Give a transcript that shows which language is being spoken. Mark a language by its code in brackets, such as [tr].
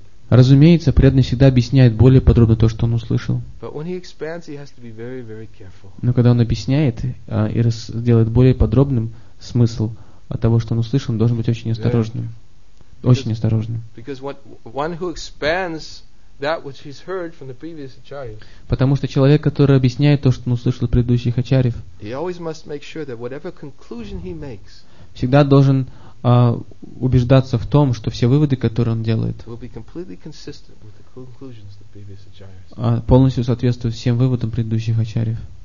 [ru] Разумеется, преданный всегда объясняет более подробно то, что он услышал. Но когда он объясняет и делает более подробным смысл от того, что он услышал, он должен быть очень осторожным. Очень осторожно. [en] Because one who expands that which he's heard from the previous acharyas. [ru] Потому что человек, который объясняет то, что он услышал от предыдущих ачарьев, [en] he always must make sure that whatever conclusion he makes, [ru] всегда должен убеждаться в том, что все выводы, которые он делает, [en] will be completely consistent with the conclusions of the previous acharyas. [ru] Полностью соответствуют всем выводам предыдущих ачарьев.